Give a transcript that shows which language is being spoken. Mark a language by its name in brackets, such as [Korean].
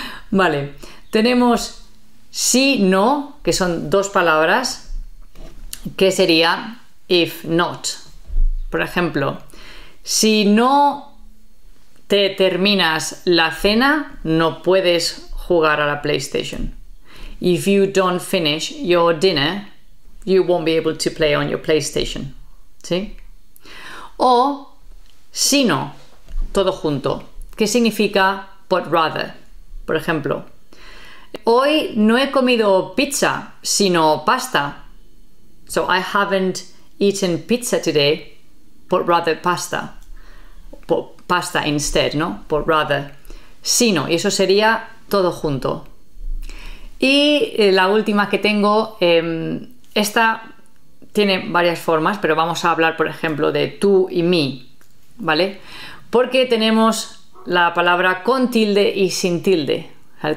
[Spanish] Vale. Tenemos si, no, que son dos palabras, que sería if not. Por ejemplo, si no te terminas la cena, no puedes jugar a la PlayStation. [English] If you don't finish your dinner, you won't be able to play on your PlayStation. [Spanish] ¿Sí? O si no, todo junto, que significa but rather. Por ejemplo, hoy no he comido pizza, sino pasta. [English] So I haven't eaten pizza today, but rather pasta. Pasta instead, ¿no? But rather. [Spanish] Sino, y eso sería todo junto. Y la última que tengo, esta tiene varias formas, pero vamos a hablar, por ejemplo, de tú y mí, ¿vale? Porque tenemos la palabra con tilde y sin tilde. ¿Vale?